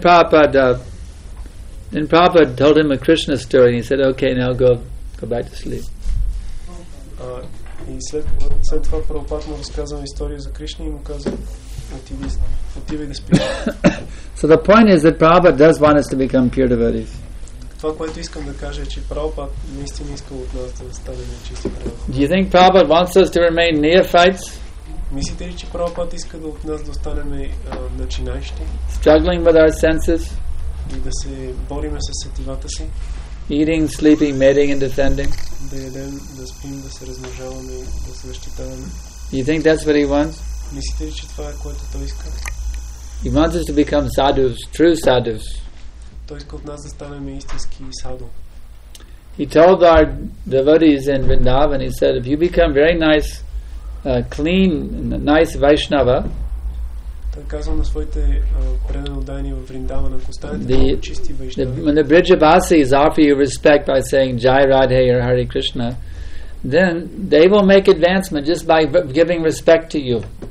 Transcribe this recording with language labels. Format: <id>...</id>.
<en>Then Prabhupada told him a Krishna story and he said, okay, now go back to sleep.</en> <bg>И след това Прабхупада му разказа история за Кришна и му каза, отивай да спиш.</bg> <en>So the point is that Prabhupada does want us to become pure devotees.</en> <bg>Това, което искам да кажа, е, че Прабхупада наистина иска от нас да станем чисти преданодани.</bg> <en>Do you think Prabhupada wants us to remain neophytes?</en> <bg>Мислите ли, че Прабхупада иска от нас да станем начинаещи?</bg> <en>Struggling with our senses?</en> <bg>И да се бориме със сетивата си.</bg> <en>Eating, sleeping, mating and defending.</en> <bg>Да ядем, да спим, да се размножаваме, да се защитаваме.</bg> <en>You think that's what he wants?</en> <bg>Мислите ли, че това е което той иска?</bg> <en>He wants us to become sadhus, true sadhus.</en> <bg>Той иска от нас да станем истински саду.</bg> <en>He told our devotees in Vrindavan, he said, if you become very nice, clean, nice Vaishnava,</en> <bg>той казва на своите преданодани в Вриндавана, ако останете много чисти вайшнави.</bg> <en>When the Брижабасис offer you respect by saying Jai Radhe or Hare Krishna, then they will make advancement just by giving respect to you.</en>